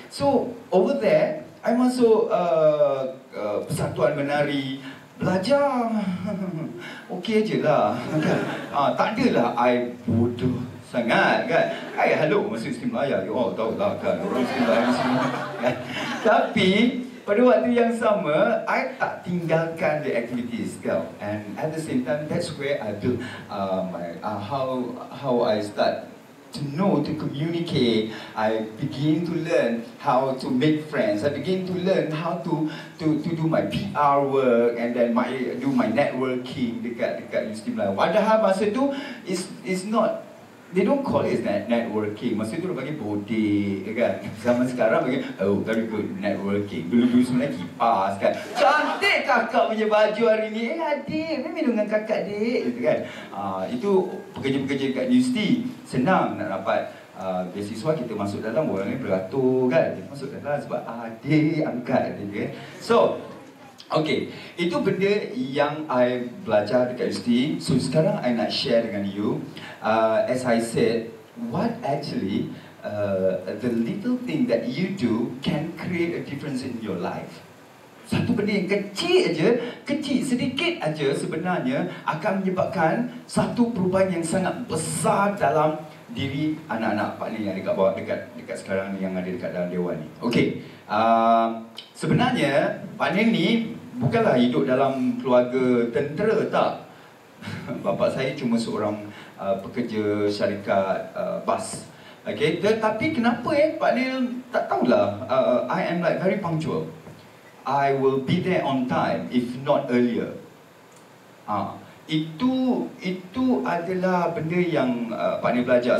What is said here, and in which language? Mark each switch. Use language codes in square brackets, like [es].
[ms] So, over there, I masuk persatuan menari. Belajar. Okay je lah. Tak adalah I bodoh. Sangat kan? [en] Hai, hello, [ms] masa Universiti Melayu. You all tahu lah kan, orang Universiti Melayu semua. Kan? Tapi, pada waktu yang sama, I tak tinggalkan [en] the activities. [ms] Kan? [en] And at the same time, that's where I build how I start to know, to communicate. I begin to learn how to make friends. I begin to learn how to do my PR work and then do my networking [ms] dekat [en] Universiti Melayu. [ms] Padahal masa tu, [en] it's not... They don't call it networking. [ms] Masa tu dia panggil bodek, kan? Zaman sekarang panggil, [en] oh, very good, networking. [ms] Dulu-dulu sebenarnya kipas, kan? Cantik kakak punya baju hari ni. Eh, adik, minum dengan kakak, dik. Gitu, kan? Itu pekerja-pekerja dekat universiti. Senang nak dapat beasiswa, kita masuk dalam, orang ni beratur, kan? Kita masuk dalam sebab adik, angkat, gitu, kan? [en] So, okay. [ms] Itu benda yang I belajar dekat universiti. So, sekarang I nak share dengan you. [en] As I said, what actually the little thing that you do can create a difference in your life. [ms] Satu benda yang kecil sedikit aja sebenarnya akan menyebabkan satu perubahan yang sangat besar dalam diri anak-anak Pak Lin yang dekat bawah dekat sekarang ni yang ada dekat dalam dewan ni. Okay, sebenarnya Pak Lin ni bukanlah hidup dalam keluarga tentera tak. Bapa saya cuma seorang pekerja syarikat bas. Okay, tetapi kenapa Pak Neil, tak tahulah. [en] I am like very punctual. I will be there on time, if not earlier. [ms] Itu adalah benda yang Pak Neil belajar.